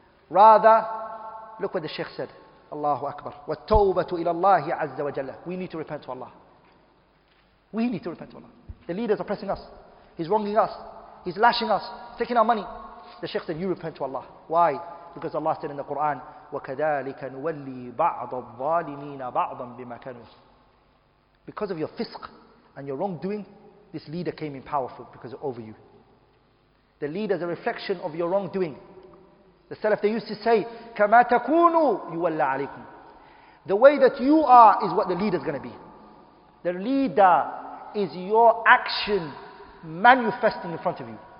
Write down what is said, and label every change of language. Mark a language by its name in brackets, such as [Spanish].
[English] Rather, look what the Sheikh said, Allahu Akbar, [Arabic] وَالتَّوْبَةُ إِلَى اللَّهِ عَزَّ وَجَلَّ. [English] We need to repent to Allah. We need to repent to Allah. The leader is oppressing us. He's wronging us. He's lashing us. He's taking our money. The Sheikh said, you repent to Allah. Why? Because Allah said in the Quran, [Arabic] وَكَذَٰلِكَ نُوَلِّي بَعْضَ الظَّالِمِينَ بَعْضًا بِمَا كَانُوا. [English] Because of your fisq and your wrongdoing, this leader came in powerful because of over you. The leader is a reflection of your wrongdoing. The Salaf, they used to say, [Arabic] كَمَا تَكُونُوا يُوَلَّى عَلَيْكُمْ. [English] The way that you are is what the leader is going to be. The leader is your action manifesting in front of you.